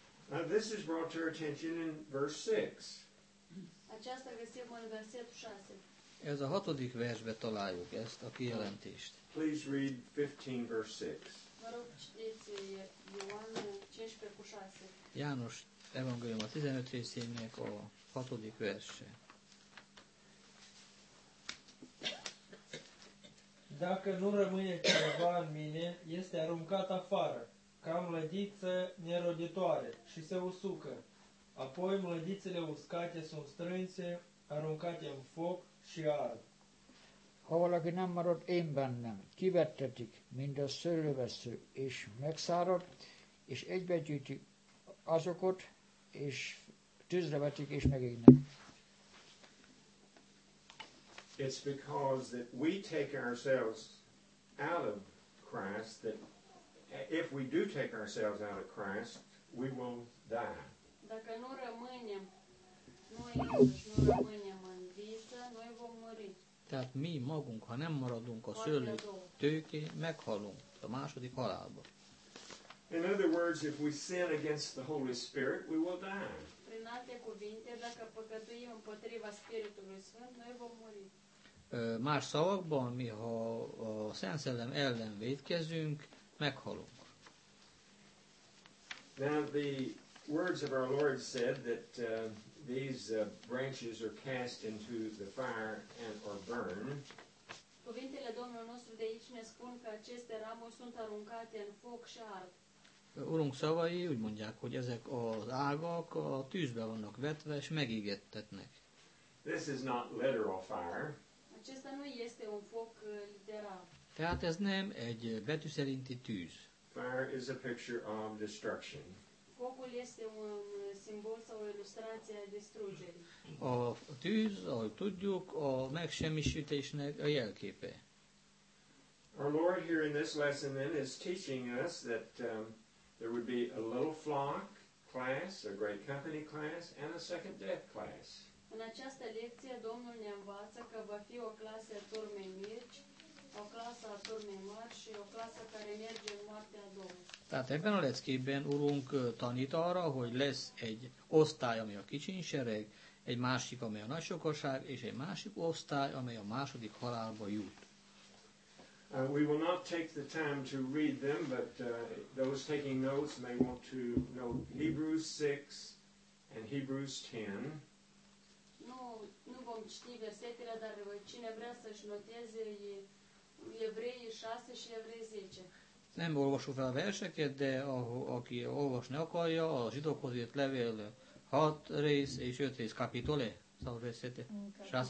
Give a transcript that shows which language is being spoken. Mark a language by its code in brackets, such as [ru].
[en] Now this is brought to our attention in verse 6. [ro] Aceasta găsim în versetul 6. [hu] Ez a hatodik versbe találjuk ezt a kijelentést. [en] Please read 15 verse 6. [ro] Mă rog, citeți Ioan 15:6. [hu] János evangélium a 15 részének a hatodik verse. [ro] Dacă nu rămâne cineva în mine, este aruncat afară. Ca mlădiță neroditoare și se usucă. Apoi mlădițele uscate sunt strânse, aruncate în foc și ard. [hu] Havalagi nem marad én bennem, kivettetik, mint a szőlővesző, és megszárad, és egybegyűjtik azokat, és tűzre vetik, és megégnek. [en] It's because that we take ourselves out of Christ that if we do take ourselves out of Christ, we will die. [ro] Dacă nu rămânem, noi nu rămânem în viață, noi vom muri. [hu] Tehát mi magunk, ha nem maradunk a szőlő tőké, meghalunk a második halálba. [en] In other words, if we sin against the Holy Spirit, we will die. [ro] Prin alte cuvinte, dacă păcătuim împotriva Spiritului Sfânt, noi vom muri. [hu] Más szavakban, mi ha a Szent Szellem ellen vétkezünk, meghalunk. [en] Now the words of our Lord said that these branches are cast into the fire and are burned. [ro] Cuvintele Domnului nostru de aici ne spun că aceste ramuri sunt aruncate în foc și ard. [hu] Urunk szavai úgy mondják, hogy ezek az ágak a tűzbe vannak vetve és megégettetnek. [en] This is not literal fire. [ro] Acesta nu este un foc literal. [hu] Tehát ez nem egy betű szerinti tűz. [en] Fire is a picture of destruction. [ro] Focul este un simbol sau o ilustrație a distrugerii. [hu] A tűz, ahogy tudjuk, a megsemmisítésnek a jelképe. [en] Our Lord here in this lesson then is teaching us that there would be a little flock class, a great company class, and a second death class. [ro] În această lecție Domnul ne învață că va fi o clasă turmei mici, o clasă a turmei mari și o clasă care merge în moartea a doua. [hu] Tehát ebben a leckében urunk tanít arra, hogy lesz egy osztály, ami a kicsinsereg, egy másik, ami a nagysokaság, és egy másik osztály, amely a második halálba jut. [en] We will not take the time to read them, but those taking notes may want to note Hebrews 6 and Hebrews 10. [ro] Nu vom citi versetele, dar cine vrea să-și noteze Evrei 6 și Evrei 10. [hu] Nem olvasul fel a verseket, de aki olvasni akarja, a zsidókhoz írt levél 6 rész és 5 rész kapitole, szóval versete, 6